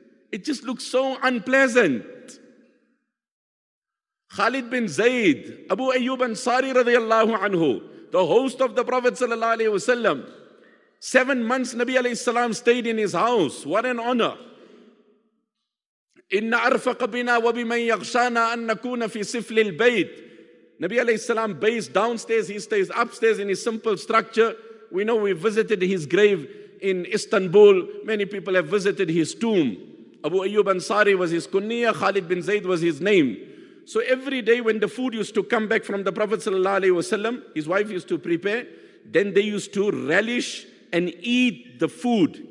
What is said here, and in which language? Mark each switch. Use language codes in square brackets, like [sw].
[en] It just looks so unpleasant. Khalid bin Zaid, Abu Ayyub Ansari radiallahu anhu, the host of the Prophet sallallahu alayhi wa sallam, 7 months Nabi alayhi salam stayed in his house. What an honor. [ar] إن أرفق بنا وبمن يغشانا أن نكون في سفل البيت. [en] Nabi alayhi salam bays downstairs, he stays upstairs in his simple structure. We know we visited his grave in Istanbul. Many people have visited his tomb. Abu Ayyub Ansari was his kunniya, Khalid bin Zayd was his name. So every day when the food used to come back from the Prophet sallallahu alayhi wasallam, his wife used to prepare, then they used to relish and eat the food.